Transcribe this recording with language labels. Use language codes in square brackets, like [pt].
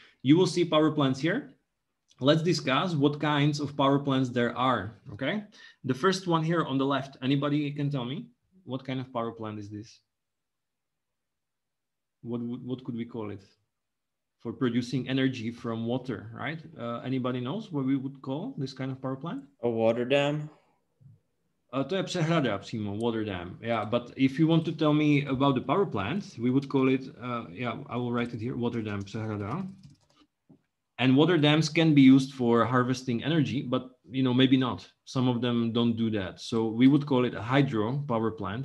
[en] You will see power plants here. Let's discuss what kinds of power plants there are, okay? The first one here on the left, anybody can tell me what kind of power plant is this? What could we call it for producing energy from water, right? Anybody knows what we would call this kind of power plant? A water dam. [cs] To je přehrada přímo, [en] water dam. Yeah, but if you want to tell me about the power plant, we would call it, I will write it here, water dam, přehrada. And water dams can be used for harvesting energy, but you know, maybe not. Some of them don't do that. So we would call it a hydro power plant.